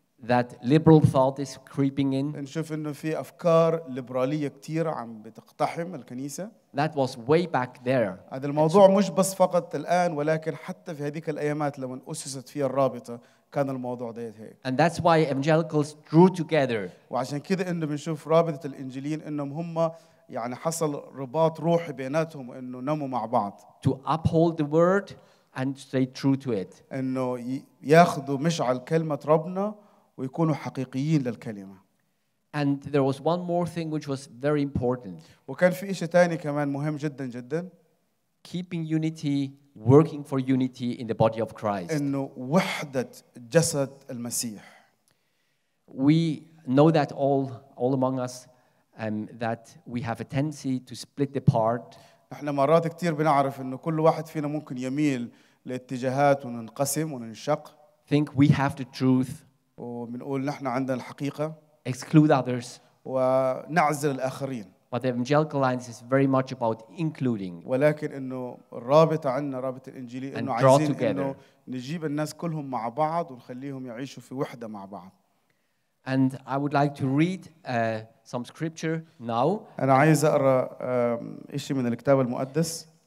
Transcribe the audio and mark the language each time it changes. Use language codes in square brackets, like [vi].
[en] That liberal thought is creeping in. [ar] نشوف إنه في أفكار ليبرالية كتير عم بتقتحم الكنيسة. [en] That was way back there. [ar] هذا الموضوع مش بس فقط الآن ولكن حتى في هذيك الأيامات لما أسست فيها الرابطة كان الموضوع ده هيك. [en] And that's why evangelicals drew together. [ar] وعشان كده إنه بنشوف رابطة الإنجيليين إنهم هم يعني حصل رباط روحي بيناتهم وإنه نموا مع بعض. [en] To uphold the word and stay true to it. [ar] إنه ياخذوا مشعل كلمة ربنا ويكونوا حقيقيين للكلمة. [en] And there was one more thing which was very important. [ar] وكان في إشي تاني كمان مهم جدا جدا. [en] Keeping unity, working for unity in the body of Christ. [ar] إنه وحدة جسد المسيح. [en] We know that all among us. That we have a tendency to split apart. [ar] نحن مرات كتير بنعرف إنه كل واحد فينا ممكن يميل لاتجاهات وننقسم وننشق. [en] Think we have the truth. [ar] ومنقول نحن عندنا الحقيقة. [en] Exclude others. [ar] ونعزل الآخرين. [en] But the evangelical lines is very much about including. [ar] ولكن إنه الرابطة عندنا رابطة الإنجيلية إنه عايزين إنه نجيب الناس كلهم مع بعض ونخليهم يعيشوا في وحدة مع بعض. [en] And I would like to read some scripture now. [ar] أنا عايز أقرأ إشي من الكتاب المقدس.